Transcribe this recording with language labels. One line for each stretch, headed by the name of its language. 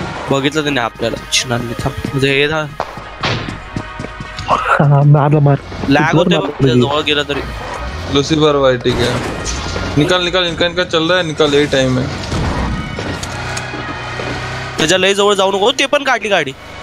Marathi: बघितलं त्याने आपल्याला छिनान घेतला म्हणजे हे था मार मार लॅग होतोय जवळ गेला तरी
Hindi: लूसीफर भाई ठीक है, निकल निकल इनका इनका चल रहा है, निकल यही टाइम है।
Marathi: त्याच्या लई जवळ जाऊ नको, ते पण काढली गाडी,